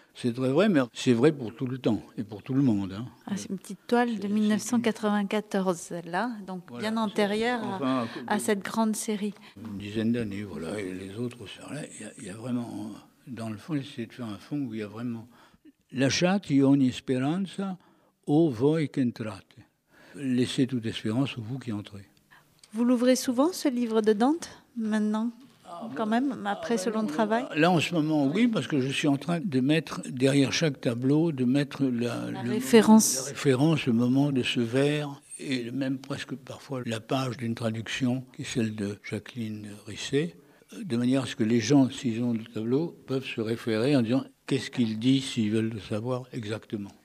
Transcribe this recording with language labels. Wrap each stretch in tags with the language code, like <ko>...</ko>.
<fr>C'est très vrai, mais c'est vrai pour tout le temps et pour tout le monde. Hein. Ah, c'est une petite toile de 1994, celle-là, donc voilà, bien antérieure à cette grande série. Une dizaine d'années, voilà, et les autres, ça, là, il y a vraiment, dans le fond, j'essaie de faire un fond où il y a vraiment...</fr> <it>Lasciate ogni speranza o voi che entrate.</it> <fr>Laissez toute espérance, vous qui entrez. Vous l'ouvrez souvent, ce livre de Dante, maintenant ? quand même, après ce long travail. Là, en ce moment, oui, parce que je suis en train de mettre derrière chaque tableau, de mettre la référence, le moment de ce vers, et même presque parfois la page d'une traduction, qui est celle de Jacqueline Risset, de manière à ce que les gens, s'ils ont le tableau, peuvent se référer en disant qu'est-ce qu'il dit s'ils veulent le savoir exactement.</fr>